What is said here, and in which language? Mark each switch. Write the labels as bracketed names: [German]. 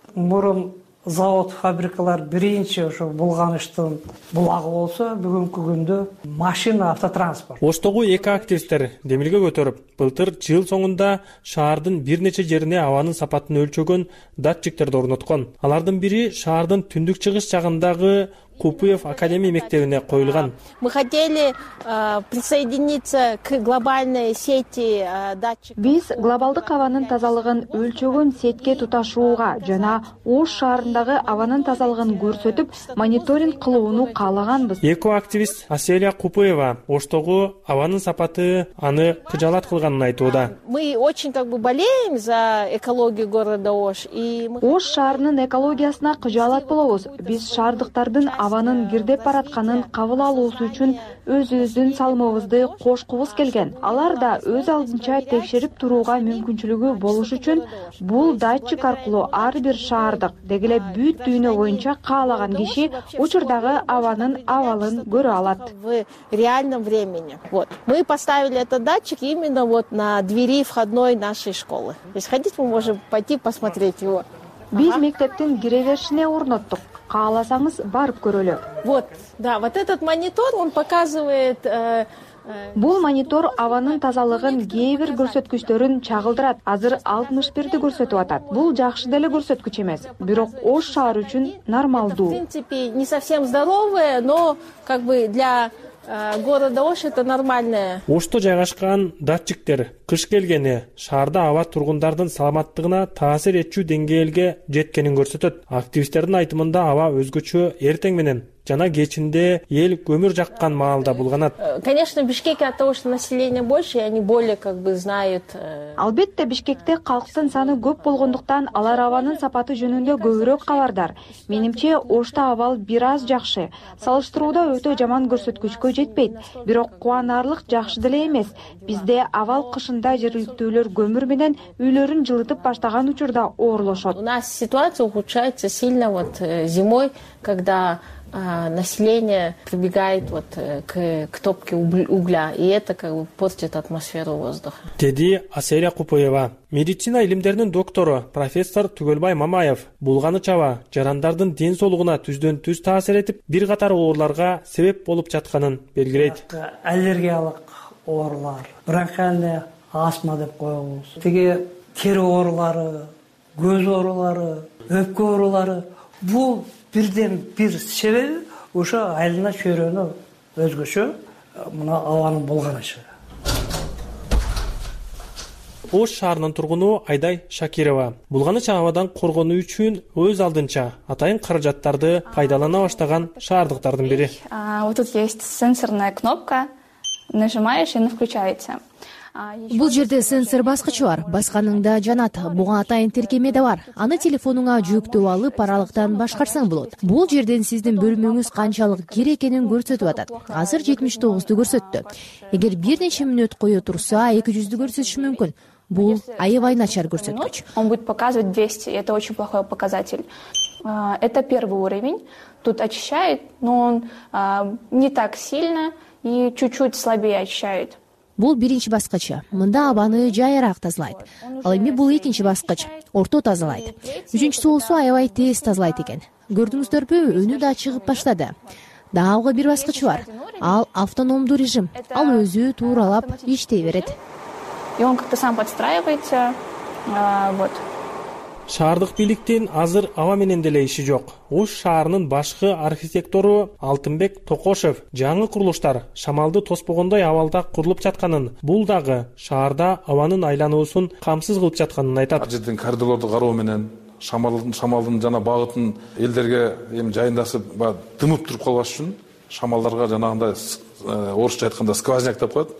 [Kyrgyz] Мурун завод, фабрикалар биринчи ошо булганыштын булагы болсо, бүгүнкү күндө машина, автотранспорт. Оштогу эки активисттер демилге көтөрүп, былтыр жыл соңунда шаардын бир нече жерине абанын сапатын өлчөгөн датчиктерди орноткон. Алардын бири шаардын түндүк чыгыш жагындагы Купуев академия мектебине коюлган. [Russian] Мы хотели присоединиться к глобальной сети датчиков. [Kyrgyz] Биз глобалдык абанын тазалыгын өлчөгөн сетке туташууга жана Ош шаарындагы абанын тазалыгын көрсөтүп мониторинг кылууну каалаганбыз. Экоактивист Аселя Купуева Оштогу абанын сапаты аны кыжалат кылганын айтууда. [Russian] Мы очень болеем за экологию города Ош. [Kyrgyz] Ош шаарынын экологиясына кыжалат болобуз. Биз шаардыктардын абанын кирдеп баратканын кабыл алуусу үчүн өзүбүздүн салмыбызды кошкубуз келген. Алар да өз алдынча текшерип турууга мүмкүнчүлүгү болуш үчүн бул датчик аркылуу ар бир шаардык деги эле бүт дүйнө боюнча каалаган киши учурдагы абанын абалын көрө алат. [Russian] В реальном времени. Вот. Мы поставили этот датчик именно вот на двери входной нашей школы. То есть ходить мы можем пойти посмотреть его. [Kyrgyz] Биз мектептин киреберишине орноттук. Кааласаңыз барып көрөлү. [Russian] Вот, да, вот этот монитор, он показывает [Kyrgyz] Бул монитор абанын тазалыгын кээ бир көрсөткүчтөрүн чагылдырат. Азыр 61 көрсөтүп атат. Бул жакшы деле көрсөткүч эмес, бирок Ош шаары үчүн нормалдуу. [Russian] В принципе, не совсем здоровое, но как бы для города Ош это нормальное. [Kyrgyz] Ошто жайгашкан датчиктер кыш келгени шаарда аба тургундардын саламаттыгына таасир этчү деңгээлге жеткенин көрсөтөт. Активисттердин айтымында аба өзгөчө эртең менен жана кечинде эл көмүр жаккан маалда булганат. [Russian] Конечно, в Бишкеке от того, что население больше, они более как бы знают. [Kyrgyz] Албетте, Бишкекте калктын саны көп болгондуктан алар абанын сапаты жөнүндө көбүрөөк кабардар. Менимче, Ошто абал бир аз жакшы. Салыштырууда өтө жаман көрсөткүчкө жетпейт. Бирок кубанарлык жакшы деле эмес. Бизде абал кышында жергиликтүүлөр көмүр менен үйлөрүн жылытып баштаган учурда оорлошот. [Russian] У нас ситуация ухудшается сильно вот зимой, когда население прибегает вот к топке угля, и это как бы портит атмосферу воздуха. [Kyrgyz] Деди Асеря Купоева. Медицина илимдеринин доктору профессор Түгөлбай Мамаев булганы чаба жарандардын ден соолугуна түздөн-түз таасир этип, бир катар ооруларга себеп болуп жатканын белгилейт. Аллергиялык оорулар, бронхиальная астма деп коебуз. Тиги тери оорулары, көз оорулары, өпкө оорулары бул бирден бир себеби ошо айлана чөйрөнү өзгөчө мына абанын болгонучу. Ош шаарынын тургуну Айдай Шакирова булганыч абадан коргонуу үчүн өз алдынча атайын каражаттарды пайдалана баштаган шаардыктардын бири. [Russian] Вот тут есть сенсорная кнопка. Нажимаешь, и она включается. [Kyrgyz] Бул жерде сенсор баскычы бар, басканың да жанат. Буга атайын тиркеме да бар. Аны телефонуңа жүктөп алып, аралыктан башкарсаң болот. Бул жерден сиздин бөлмөңүз канчалык кире экенин көрсөтүп атат. Азыр 79-ду көрсөттү. Эгер бир нече мүнөт кое турса, 200-ду көрсөтүшү мүмкүн. Бул аябай начар көрсөткүч. [Russian] Он будет показывать 200. Это очень плохой показатель. Это первый уровень. Тут очищает, но он не так сильно и чуть-чуть слабее очищает. [Kyrgyz] Бул биринчи баскычы. Мында абаны жайыраак тазалайт. Ал эми бул экинчи баскыч. Орто тазалайт. Үчүнчүсү болсо аябай тез тазалайт экен. Көрдүңүздөрбү, өнү да чыгып баштады. Дагы бир баскычы бар. Ал автономдуу режим. Ал өзү тууралап иштей берет. [Russian] И он как-то сам подстраивается. Вот. [Kyrgyz] Шаардык бийликтин азыр аба менен деле иши жок. Ош шаарынын башкы архитектору Алтынбек Токошев жаңы курулуштар шамалды тоспогондой абалда курулуп жатканын, бул дагы шаарда абанын айлануусун камсыз кылып жатканын айтат. Ар жерден коридорду кароо менен шамалдын жана багытын элдерге эми жайындасып баягы тымып туруп калбаш үчүн шамалдарга жанагындай орусча айтканда сквозняк деп коет.